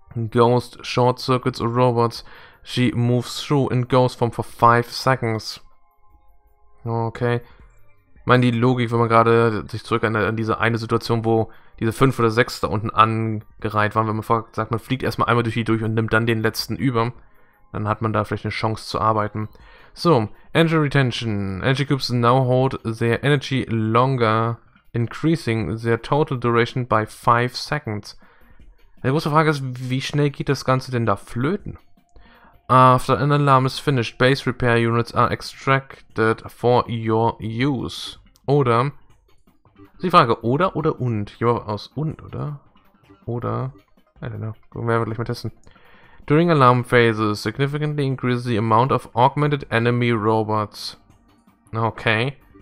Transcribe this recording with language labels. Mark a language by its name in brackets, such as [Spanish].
[English] Ghost short circuits robots. She moves through in Ghost Form for 5 seconds. Okay. [German] Ich meine, die Logik, wenn man gerade sich zurück an diese eine Situation, wo diese 5 oder 6 da unten angereiht waren, wenn man sagt, man fliegt erstmal einmal durch die durch und nimmt dann den letzten über, dann hat man da vielleicht eine Chance zu arbeiten. [English] So, Energy Retention. Energy Cubes now hold their energy longer, increasing their total duration by 5 seconds. [German] Eine große Frage ist, wie schnell geht das Ganze denn da flöten? [English] After an alarm is finished, base repair units are extracted for your use. [German] Oder, ist die Frage, oder und? Ich mache aus und, oder? Oder, [English] I don't know, [German] werden wir gleich mal testen. [English] During alarm phases, significantly increases the amount of augmented enemy robots. Okay.